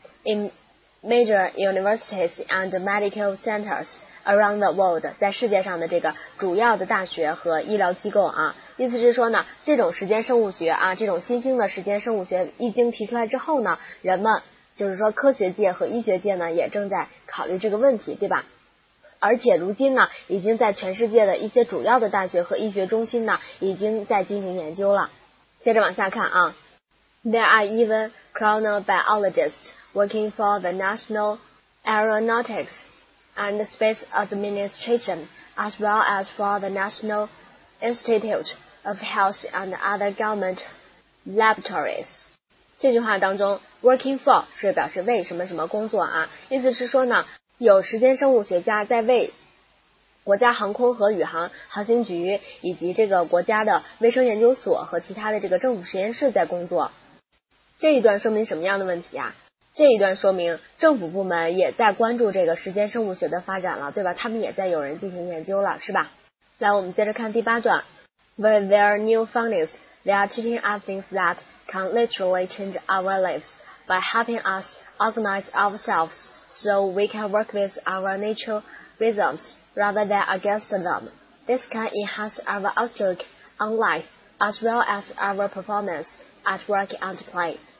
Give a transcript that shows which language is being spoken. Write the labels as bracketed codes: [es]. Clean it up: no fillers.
[en] In major universities and medical centers around the world， [zh] 在世界上的这个主要的大学和医疗机构啊，意思是说呢，这种时间生物学啊，这种新兴的时间生物学一经提出来之后呢，人们就是说科学界和医学界呢也正在考虑这个问题，对吧？而且如今呢，已经在全世界的一些主要的大学和医学中心呢已经在进行研究了。接着往下看啊， [en] There are even chronobiologists working for the National Aeronautics and Space Administration as well as for the National Institute of Health and other government laboratories。 [zh] 这句话当中 working for 是表示为什么什么工作啊，意思是说呢，有时间生物学家在为国家航空和宇航航行局以及这个国家的卫生研究所和其他的这个政府实验室在工作。这一段说明什么样的问题啊？这一段说明政府部门也在关注这个时间生物学的发展了，对吧？他们也在有人进行研究了，是吧？来，我们接着看第八段。 [en] With their new findings, they are teaching us things that can literally change our lives by helping us organize ourselves so we can work with our natural rhythms rather than against them. This can enhance our outlook on life as well as our performance at work and play.